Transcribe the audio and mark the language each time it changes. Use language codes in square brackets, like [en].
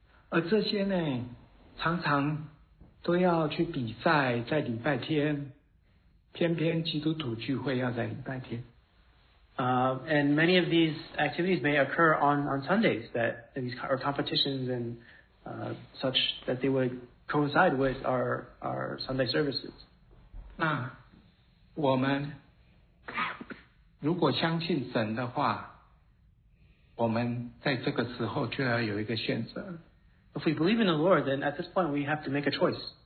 [zh] 而这些呢，常常都要去比赛，在礼拜天，偏偏基督徒聚会要在礼拜天。 [en] And many of these activities may occur on Sundays, that these are competitions and. Such that they would coincide with our Sunday services. [zh] 那我们如果相信神的话，我们在这个时候就要有一个选择。 [en] If we believe in the Lord, then at this point we have to make a choice.